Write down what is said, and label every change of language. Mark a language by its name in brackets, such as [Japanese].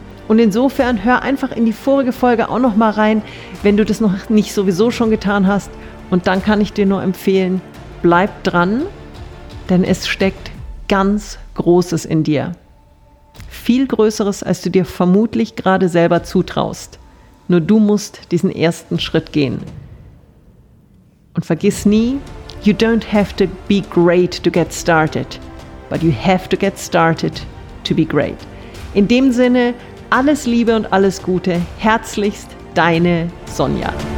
[German] Und insofern hör einfach in die vorige Folge auch noch mal rein, wenn du das noch nicht sowieso schon getan hast. Und dann kann ich dir nur empfehlen, bleib dran, denn es steckt ganz Großes in dir. Viel Größeres, als du dir vermutlich gerade selber zutraust. Nur du musst diesen ersten Schritt gehen. Und vergiss nie, [English] you don't have to be great to get started, but you have to get started to be great. [German] In dem Sinne, alles Liebe und alles Gute. Herzlichst, deine Sonja.